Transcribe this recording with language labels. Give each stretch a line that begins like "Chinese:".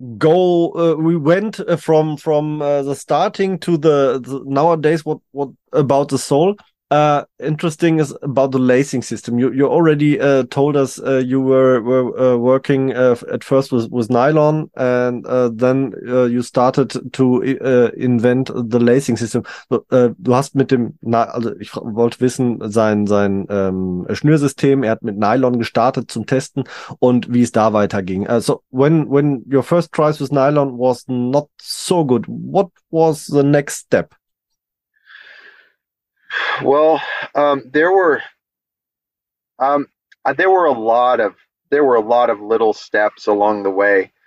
English: We went from the starting to the nowadays. What about the soul? Interesting is about the lacing system. You already told us you were working at first with nylon, and then you started to invent the lacing system.
German: Du hast mit dem, also ich wollte wissen, sein Schnürsystem. Er hat mit Nylon gestartet zum Testen und wie es da weiterging.
English: So when your first tries with nylon was not so good, what was the next step? Well, there were a lot of little steps along the way.